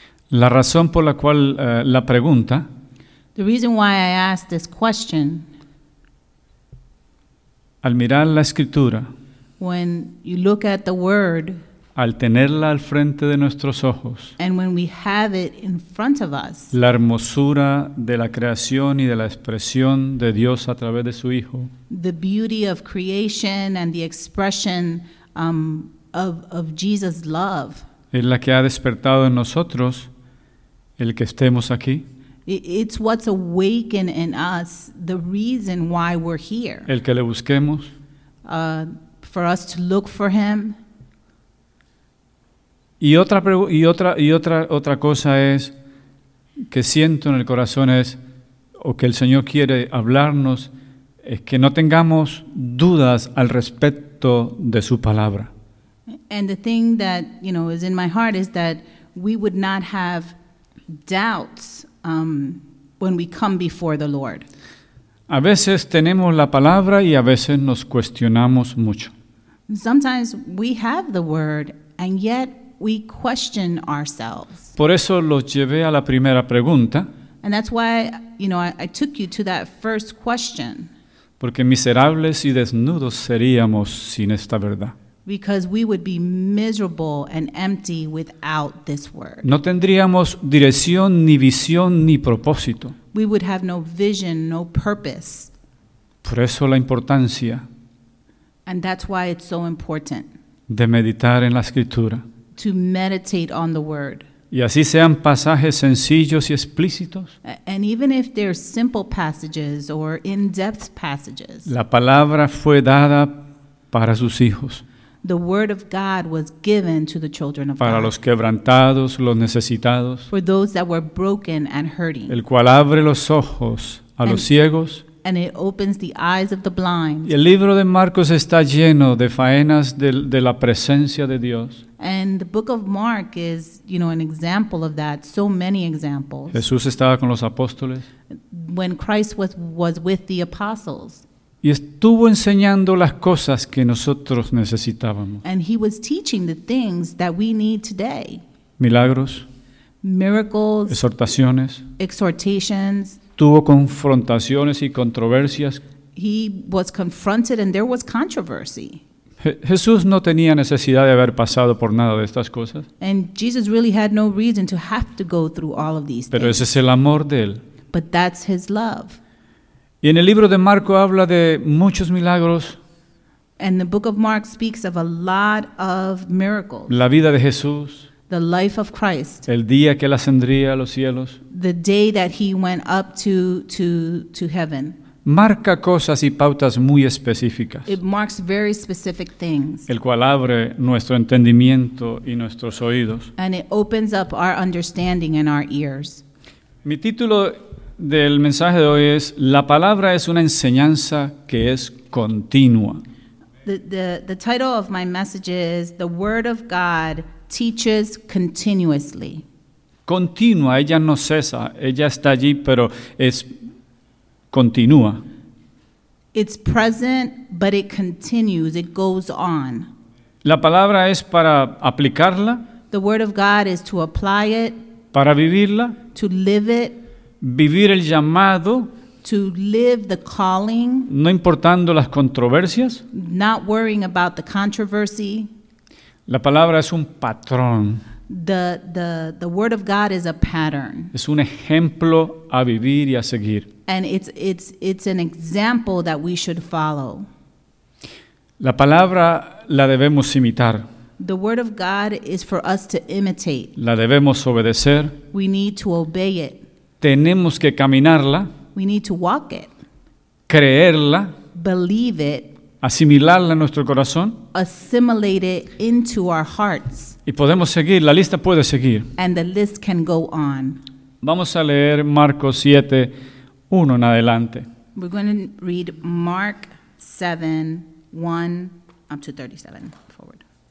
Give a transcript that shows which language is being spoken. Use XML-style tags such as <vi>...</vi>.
<es>La razón por la cual la pregunta.</es> <en>The reason why I asked this question.</en> <es>Al mirar la escritura.</es> <en>When you look at the word.</en> <es>Al tenerla al frente de nuestros ojos.</es> <en>And when we have it in front of us.</en> <es>La hermosura de la creación y de la expresión de Dios a través de su Hijo.</es> <en>The beauty of creation and the expression of Jesus' love.</en> <es>Es la que ha despertado en nosotros el que estemos aquí.</es> <en>It's what's awakened in us the reason why we're here.</en> <es>El que le busquemos.</es> <en>For us to look for him.</en> <es>Y otra cosa es que siento en el corazón es o que el Señor quiere hablarnos es que no tengamos dudas al respecto de su palabra.</es> <en>And the thing that, you know, is in my heart is that we would not have doubts when we come before the Lord.</en> <es>A veces tenemos la palabra y a veces nos cuestionamos mucho.</es> <en>Sometimes we have the word and yet we question ourselves.</en> <es>Por eso los llevé a la primera pregunta.</es> <en>And that's why, you know, I took you to that first question.</en> <es>Porque miserables y desnudos seríamos sin esta verdad.</es> <en>Because we would be miserable and empty without this word.</en> <es>No tendríamos dirección, ni visión, ni propósito.</es> <en>We would have no vision, no purpose.</en> <es>Por eso la importancia.</es> <en>And that's why it's so important.</en> <es>De meditar en la escritura.</es> <en>To meditate on the word.</en> <es>Y así sean pasajes sencillos y explícitos.</es> <en>And even if they're simple passages or in-depth passages.</en> <es>La palabra fue dada para sus hijos.</es> <en>The word of God was given to the children of</en> <es>para</es> <en>God.</en> <es>Los quebrantados, los necesitados.</es> <en>For those that were broken and hurting.</en> <es>El cual abre los ojos a and, los ciegos.</es> <en>And it opens the eyes of the blind.</en> <es>Y el libro de Marcos está lleno de faenas de la presencia de Dios.</es> <en>And the book of Mark is, you know, an example of that. So many examples.</en> <es>Jesús estaba con los apóstoles.</es> <en>When Christ was with the apostles.</en> <es>Y estuvo enseñando las cosas que nosotros necesitábamos.</es> <en>And he was teaching the things that we need today.</en> <es>Milagros.</es> <en>Miracles.</en> <es>Exhortaciones.</es> <en>Exhortations.</en> <es>Tuvo confrontaciones y controversias.</es> <en>He was confronted and there was controversy.</en> <es>Jesús no tenía necesidad de haber pasado por nada de estas cosas.</es> <en>And Jesus really had no reason to have to go through all of these</en> <es>pero Pero ese es el amor de él.</es> <en>But that's his love.</en> <es>Y en el libro de Marco habla de muchos milagros.</es> <en>And the book of Mark speaks of a lot of miracles.</en> <es>La vida de Jesús.</es> <en>The life of Christ.</en> <es>El día que él ascendría a los cielos.</es> <en>The day that he went up to heaven.</en> <es>Marca cosas y pautas muy específicas.</es> <en>It marks very specific things.</en> <es>El cual abre nuestro entendimiento y nuestros oídos.</es> <en>And it opens up our understanding and our ears.</en> <es>Mi título del mensaje de hoy es La palabra es una enseñanza que es continua.</es> <en>The title of my message is The Word of God teaches continuously.</en> <es>Continua, ella no cesa, ella está allí, pero es continua.</es> <en>It's present, but it continues, it goes on.</en> <es>La palabra es para aplicarla.</es> <en>The word of God is to apply it.</en> <es>Para vivirla.</es> <en>To live it.</en> <es>Vivir el llamado.</es> <en>To live the calling.</en> <es>No importando las controversias.</es> <en>Not worrying about the controversy.</en> <es>La palabra es un patrón.</es> <en>The word of God is a pattern.</en> <es>Es un ejemplo a vivir y a seguir.</es> <en>And it's an example that we should follow.</en> <es>La palabra la debemos imitar.</es> <en>The word of God is for us to imitate.</en> <es>La debemos obedecer.</es> <en>We need to obey it.</en> <es>Tenemos que caminarla.</es> <en>We need to walk it.</en> <es>Creerla.</es> <en>Believe it.</en> <es>Asimilarla en nuestro corazón.</es> <en>Assimilate it into our hearts.</en> <es>Y podemos seguir, la lista puede seguir.</es> <en>And the list can go on.</en> <es>Vamos a leer Marcos 7, 1 en adelante.</es> <en>We're going to read Mark 7, 1 up to 37, forward.</en>